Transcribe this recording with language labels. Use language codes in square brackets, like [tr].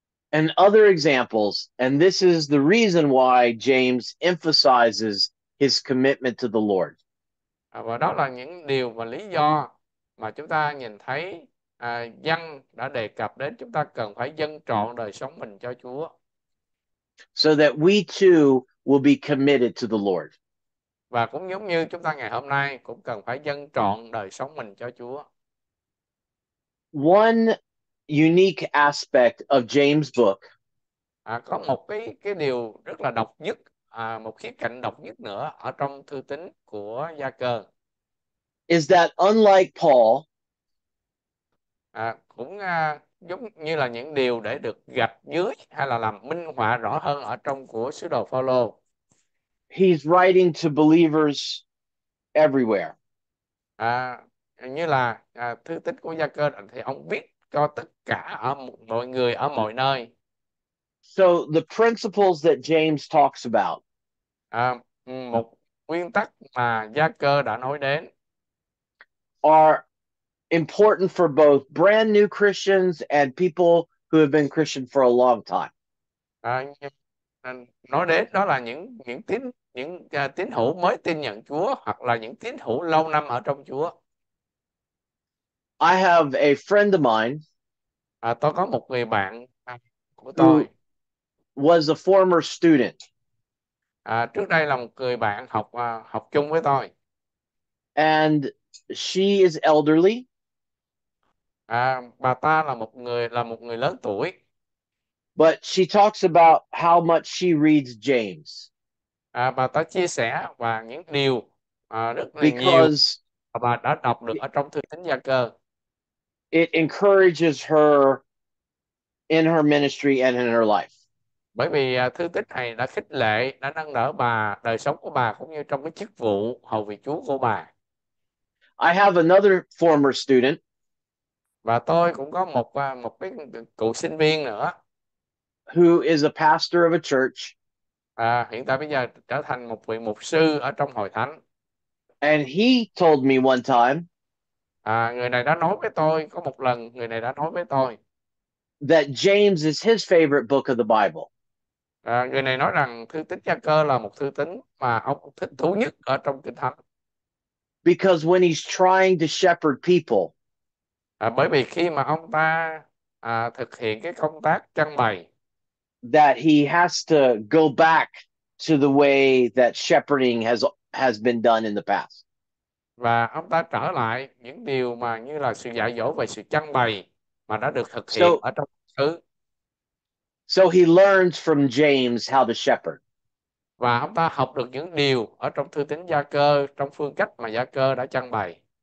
[en] And other examples, and this is the reason why James emphasizes his commitment to the Lord. [vi] Và đó là những điều và lý do mà chúng ta nhìn thấy dân đã đề cập đến chúng ta cần phải dâng trọn đời sống mình cho Chúa. [en] So that we too will be committed to the Lord. [vi] Và cũng giống như chúng ta ngày hôm nay cũng cần phải dâng trọn đời sống mình cho Chúa. [en] One unique aspect of James' book. [vi] Có một cái điều rất là độc nhất, một khía cạnh độc nhất nữa ở trong Thư Tín của Gia Cơ. [en] Is that unlike Paul, [vi] Cũng giống như là những điều để được gạch dưới hay là làm minh họa rõ hơn ở trong của sứ đồ Phaolô. [en] he's writing to believers everywhere. [vi] Như là Thư Tín của Gia Cơ thì ông viết cho tất cả mọi người ở mọi nơi. [en] So the principles that James talks about. [vi] Một nguyên tắc mà Gia Cơ đã nói đến. [en] Are important for both brand new Christians and people who have been Christian for a long time. [vi] Nói đến đó là những tín hữu mới tin nhận Chúa hoặc là những tín hữu lâu năm ở trong Chúa. [en] I have a friend of mine [vi] Tôi có một người bạn của [en] who [vi] tôi. [en] was a former student. [vi] Trước đây là một người bạn học học chung với tôi. [en] And she is elderly. [vi] Bà ta là một người lớn tuổi. [en] But she talks about how much she reads James. [vi] Bà ta chia sẻ và những điều rất là nhiều [en] Because [vi] mà bà đã đọc được ở trong Thư Tín Gia Cơ. [en] encourages her in her ministry and in her life. [vi] Bởi vì Thư Tín này đã khích lệ, đã nâng đỡ bà, đời sống của bà cũng như trong cái chức vụ hầu việc Chúa của bà. [en] I have another former student. [vi] Và tôi cũng có một cái cựu sinh viên nữa. [en] Who is a pastor of a church. [vi] Hiện tại bây giờ trở thành một vị mục sư ở trong hội thánh. [en] And he told me one time [vi] Người này đã nói với tôi, có một lần người này đã nói với tôi. [en] that James is his favorite book of the Bible. [vi] Người này nói rằng Thư Tín Gia Cơ là một thư tín mà ông thích thú nhất ở trong Kinh Thánh. [en] Because when he's trying to shepherd people, [vi] Bởi vì khi mà ông ta thực hiện cái công tác trăng bày, [en] that he has to go back to the way that shepherding has been done in the past. [vi] và ông ta trở lại những điều mà như là sự dạy dỗ về sự trăng bày mà đã được thực hiện [en] So [vi] ở trong xứ. [en] he learns from James how to shepherd. [vi] Và ông ta học được những điều ở trong Thư Tín Gia Cơ, trong phương cách mà Gia Cơ đã trăng bày.